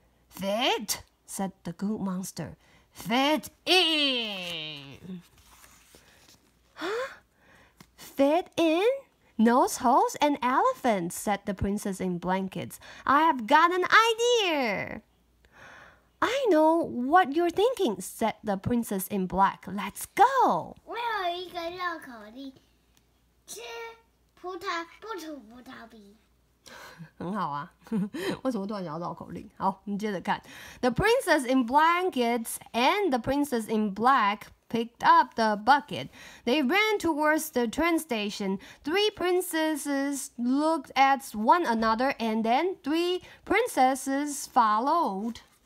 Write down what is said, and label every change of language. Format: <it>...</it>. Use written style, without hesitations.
<en>Fit, said the goo monster. Fit in. Huh? Fit in? Nose holes and elephants, said the princess in blankets. I have got an idea. I know what you're thinking, said the princess in black. Let's go.</en> <zh>我有一个绕口令，吃葡萄不吐葡萄皮。很好啊，为什么突然想要绕口令？好，我们接着看。</zh> <en>The princess in blankets and the princess in black. Picked up the bucket. They ran towards the train station. Three princesses looked at one another and then three princesses followed.</en>